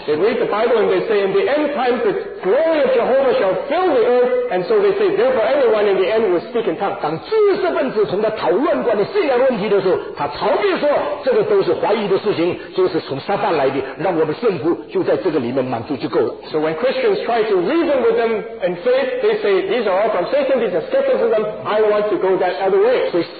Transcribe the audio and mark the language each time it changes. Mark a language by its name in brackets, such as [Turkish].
[English] They read the Bible and they say, in the end times, the glory of Jehovah shall fill the earth, and so they say, therefore, everyone in the end will speak in tongues. [Chinese] 当知识分子从他讨论关于信仰问题的时候，他逃避说，这个都是怀疑的事情，就是从撒旦来的，让我们顺服，就在这个里面满足就够了。 [English] So when Christians try to reason with them in faith, they say, these are all from Satan, these are skepticism, I want to go that other way.